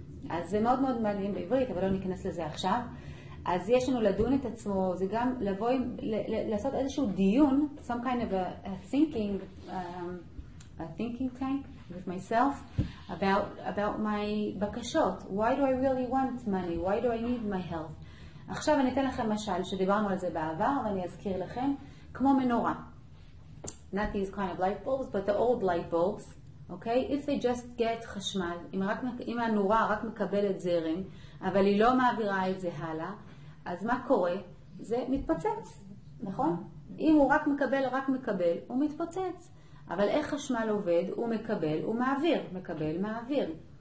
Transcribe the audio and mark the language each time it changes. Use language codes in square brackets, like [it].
[he] אז זה מאוד מאוד מעניין בעברית, אבל לא ניכנס לזה עכשיו. אז יש לנו לדון את עצמו, זה גם לבוא, לעשות איזשהו דיון, [en] some kind of a thinking tank, with myself about my [he] בקשות. [en] Why do I really want money? Why do I need my health? [he] עכשיו אני אתן לכם משל שדיברנו על זה בעבר ואני אזכיר לכם, כמו מנורה. [en] Not these kind of light bulbs, but the old light bulbs, okay? If they just get [he] חשמל, אם הנורה רק מקבלת זרם, אבל היא לא מעבירה את זה הלאה, אז מה קורה? זה מתפוצץ, נכון? אם הוא רק מקבל, הוא מתפוצץ. אבל איך חשמל עובד? הוא מקבל, הוא מעביר. מקבל, מעביר.